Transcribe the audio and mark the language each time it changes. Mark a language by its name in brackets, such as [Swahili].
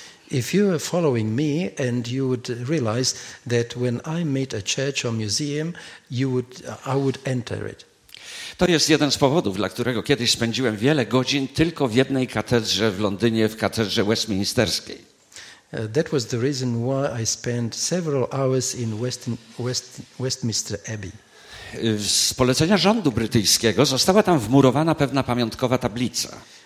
[English] If you are following me and you would realize that when I meet a church or museum, I would enter it. [Polish] To jest jeden z powodów, dla którego kiedyś spędziłem wiele godzin tylko w jednej katedrze w Londynie, w katedrze westminsterskiej. [English] That was the reason why I spent several hours in Westminster Abbey. [Polish] Z polecenia rządu brytyjskiego została tam wmurowana pewna pamiątkowa tablica.